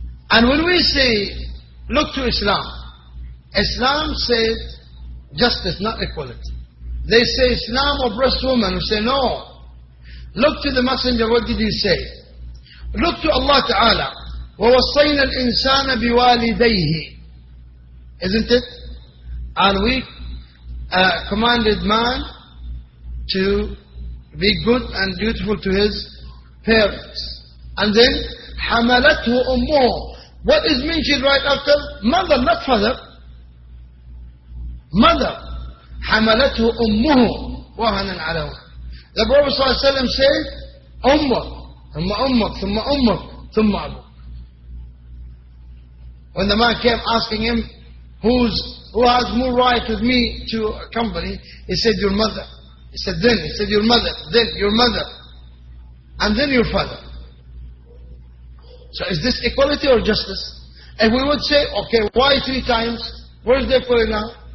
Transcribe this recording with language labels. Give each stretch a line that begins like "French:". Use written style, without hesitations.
English: And when we say, look to Islam, Islam says justice, not equality. They say Islam oppressed woman. We say no. Look to the messenger, what did he say? Look to Allah Ta'ala.
Arabic: وَوَصَّيْنَا الْإِنسَانَ بِوَالِدَيْهِ
English: Isn't it? And we commanded man to be good and dutiful to his parents. And then,
Arabic: حَمَلَتْهُ أُمُّهُ
English: What is mentioned right after? Mother, not father. Mother.
Arabic: حَمَلَتْهُ أُمُّهُ وَهَنًا عَلَوْهُ
English: The Prophet ﷺ said,
Arabic: أُمَّهُ ثم أمك ثم أمك ثم أبوك.
English: When the man came asking him, who has more right with me to accompany, he said, your mother. He said, then. He said, your mother. Then your mother. And then your father. So is this equality or justice? And we would say, okay, why three times? Where is the equality now?